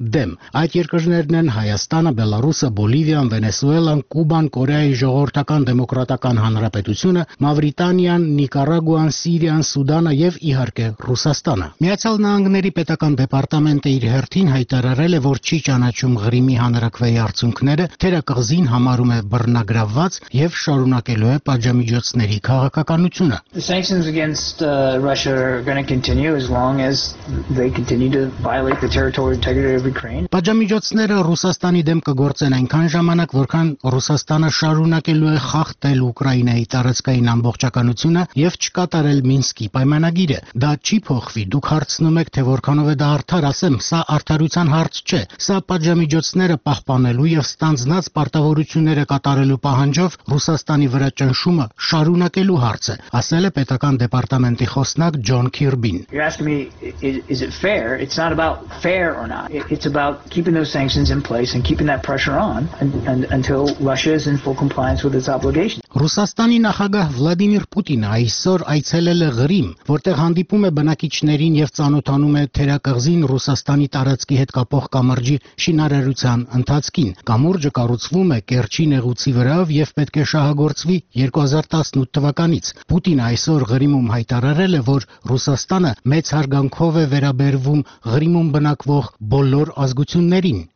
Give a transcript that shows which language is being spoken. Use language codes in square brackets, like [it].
[hy] դեմ։ Այդ երկրներն են Հայաստանը, Բելարուսը, Բոլիվիան, Վենեսուելան, Կուբան, Կորեայի ժողովրդական դեմոկրատական հանրապետությունը, Մավրիտանիան, Նիկարագուան, Սիրիան, Սուդանը և իհարկե Ռուսաստանը։ Միացյալ Նահանգների պետական դեպարտամենտը իր հերթին հայտարարել է, որ չի ճանաչում Ղրիմի հանրաքվեի արդյունքները, թերակղզին համարում է բռնագրավված և շարունակելու է պատժամիջոցների քաղաքականությունը։ [en] The sanctions against Russia are going to continue as long as they continue to violate the territorial integrity of Ukraine. [hy] Պատժամիջոցները Ռուսաստանի դեմ կգործեն այնքան ժամանակ, որքան Ռուսաստանը շարունակելու է խախտել Ուկրաինայի տարածքային ամբողջականությունը և չկատարել Մինսկի պայմանագիրը։ Դա չի փոխվի, դուք հարցնում եք, թե որքանով է դա արդար, ասեմ, սա արդարության հարց չէ, սա պատժամիջոցները պահպանելու և ստանձնած պարտավորությունները կատարելու պահանջով Ռուսաստանի վրա ճնշումը շարունակելու հարց է, ասել է պետական դեպարտամենտի խոսնակ Ջոն Քիրբին։ [en] You ask me, is it fair? It's not about fair or not. It's about keeping those sanctions in place and keeping that pressure on until Russia is in full compliance with its obligations. [hy] Ռուսաստանի նախագահ Վլադիմիր Պուտինը այսօր այցելել է Ղրիմ, որտեղ հանդիպում է բնակիչներին և ծանոթանում է թերակղզին Ռուսաստանի տարածքի հետ կապող կամրջի շինարարության ընթացքին։ Կամուրջը կառուցվում է Կերչի նեղուցի վրա և պետք է շահագործվի 2018 թվականից։ Պուտինը այսօր Ղրիմում հայտարարել է, որ Ռուսաստանը մեծ հարգանքով է վերաբերվում Ղրիմում բնակվող բոլոր ազգություններին։